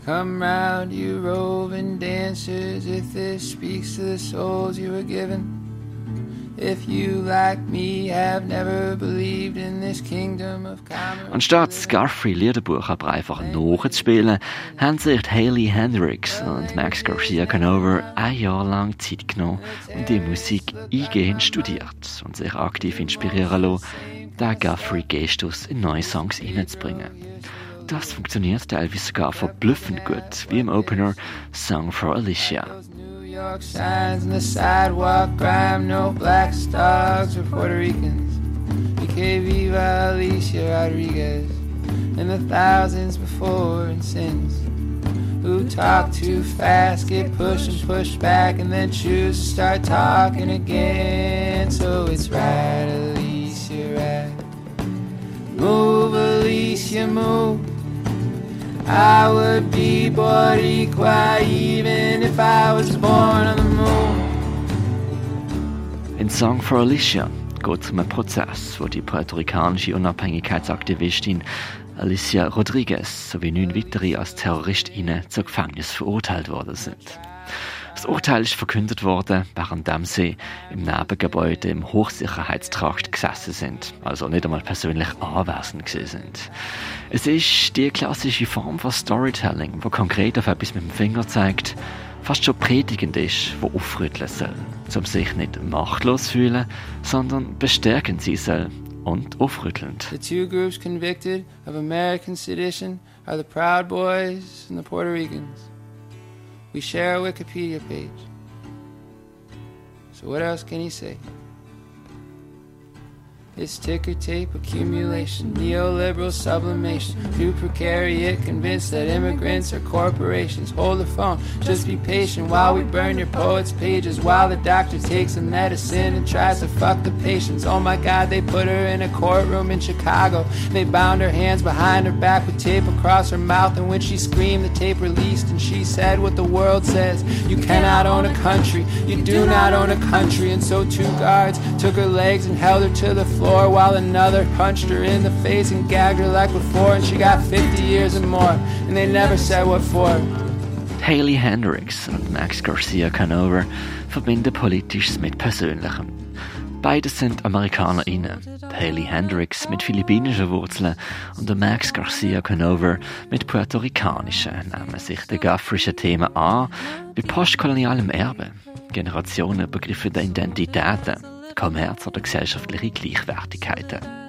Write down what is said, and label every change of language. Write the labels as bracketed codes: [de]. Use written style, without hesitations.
[en] Come round, you roving dancers, if this speaks to the souls you were given. If you, like me, have never believed in this kingdom of commerce. [de] Anstatt das Guthrie-Liederbuch aber einfach nachzuspielen, haben sich Hayley Hendrix und Max Garcia Canover ein Jahr lang Zeit genommen und die Musik eingehend studiert und sich aktiv inspirieren lassen, den Guthrie-Gestus in neue Songs hineinzubringen. Das funktioniert der Elvis sogar verblüffend gut, wie im Opener Song for Alicia. [en] Signs in the sidewalk, crime, no black stars or Puerto Ricans. UK Viva Alicia Rodriguez and the thousands before and since who talk too fast, get pushed and pushed back, and then choose to start talking again. So it's right, Alicia, right. Move, Alicia, move. I would be Boricua even if I was born on the moon. [de] In Song for Alicia geht es um einen Prozess, wo die puerto-ricanische Unabhängigkeitsaktivistin Alicia Rodriguez sowie 9 weitere als TerroristInnen zum Gefängnis verurteilt worden sind. Das Urteil ist verkündet worden, während sie im Nebengebäude im Hochsicherheitstrakt gesessen sind, also nicht einmal persönlich anwesend gewesen sind. Es ist die klassische Form von Storytelling, die konkret auf etwas mit dem Finger zeigt, fast schon predigend ist, wo aufrütteln soll, um sich nicht machtlos zu fühlen, sondern bestärkend sein soll und aufrüttelnd. [en] The two groups convicted of American sedition are the Proud Boys and the Puerto Ricans. We share a Wikipedia page. So what else can he say? It's ticker tape accumulation, neoliberal sublimation, new precariat, convinced that immigrants are corporations. Hold the phone, just be patient while we burn your poet's pages, while the doctor takes a medicine and tries to fuck the patients. Oh my God, they put her in a courtroom in Chicago. They bound her hands behind her back with tape across her mouth, and when she screamed, the tape released, and she said what the world says. You cannot own a country, you do not own a country. And so two guards took her legs and held her to the floor while another punched her in the face and gagged her like before, and she got 50 years and more, and they never said what for. [de] Hayley Hendrix und Max Garcia Canover verbinden Politisches mit Persönlichem. Beide sind AmerikanerInnen. Hayley Hendrix mit philippinischen Wurzeln und der Max Garcia Canover mit puerto-ricanischen nehmen sich den guthrischen Themen an, wie postkolonialem Erbe, generationenübergreifende Identitäten, Kommerz oder gesellschaftliche Gleichwertigkeiten.